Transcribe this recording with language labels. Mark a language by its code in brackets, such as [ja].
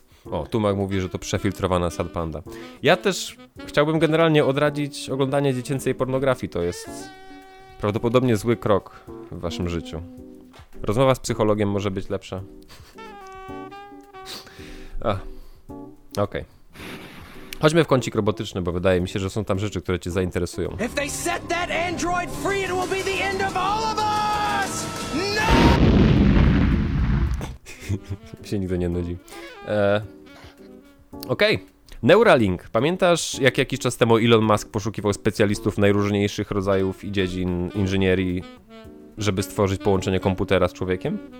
[pl] O, Tumak mówi, że to przefiltrowana Sad Panda. Ja też chciałbym generalnie odradzić oglądanie dziecięcej pornografii. To jest prawdopodobnie zły krok w waszym życiu. Rozmowa z psychologiem może być lepsza. Okej. Okay. Chodźmy w kącik robotyczny, bo wydaje mi się, że są tam rzeczy, które cię zainteresują. [en] If they set that android free, it will be the end of all of us! No! [pl] Się nigdy nie nudzi. Okej. Neuralink. Pamiętasz, jak jakiś czas temu Elon Musk poszukiwał specjalistów najróżniejszych rodzajów i dziedzin inżynierii, żeby stworzyć połączenie komputera z człowiekiem?